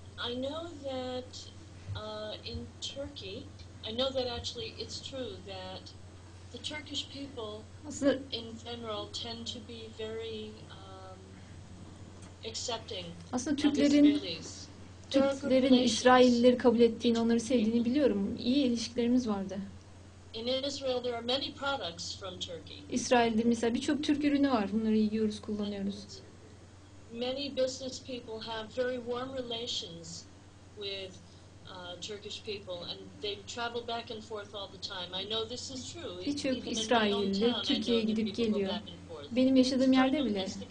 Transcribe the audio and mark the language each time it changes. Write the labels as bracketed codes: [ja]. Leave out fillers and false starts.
[en] I know that in Turkey, I know that actually it's true that the Turkish people in general tend to be very accepting. [tr] Aslında Türklerin İsrailleri kabul ettiğini, onları sevdiğini biliyorum. İyi ilişkilerimiz vardı. [en] In Israel there are many products from Turkey. [tr] İsrail'de mesela birçok Türk ürünü var. Bunları yiyoruz, kullanıyoruz. [en] Many business people have very warm relations with Turkish people and they travel back and forth all the time. I know this is true. [tr] Birçok İsrailli Türkiye'ye gidip geliyor. Benim yaşadığım yerde bile.